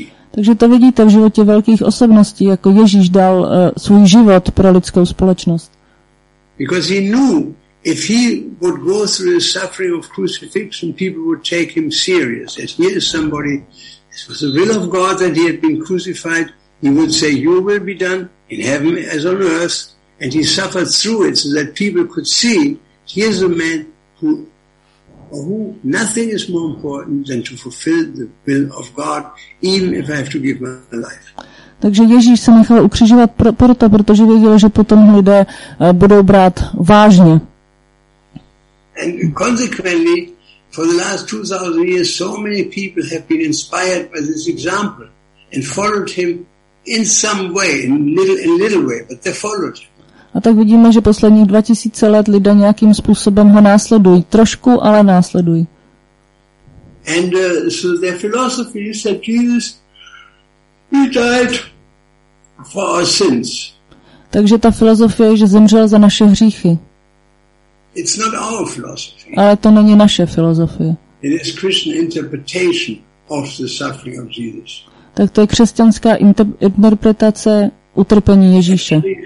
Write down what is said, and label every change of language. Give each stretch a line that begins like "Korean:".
Czech: Takže to vidíte v životě velkých osobností, jako Ježíš dal svůj život pro lidskou společnost.
English: Because he knew if he would go through the suffering of crucifixion, people would take him serious. As he is somebody, it was the will of God that he had been crucified, he would say, your will be done. In heaven as on earth, and he suffered through it so that people could see he is a man who nothing is more important than to fulfill the will of God, even if I have to give my life.
Czech: Takže Ježíš se nechal ukřižovat proto, protože věděl, že potom lidé budou brát vážně.
English: And consequently, for the last 2,000 years, so many people have been inspired by this example and followed him. In some way, in little way, but they followed.
Czech: A tak vidíme, že posledních 2000 let lidé nějakým způsobem ho následují, trošku, ale následují.
English: And so their philosophy is that Jesus, he died for our sins.
Czech: Takže ta filozofie je, že zemřel za naše hříchy.
English: It's not our philosophy.
Czech: Ale to není naše filozofie.
English: It is Christian interpretation of the suffering of Jesus.
Czech: Tak to je křesťanská interpretace utrpení Ježíše.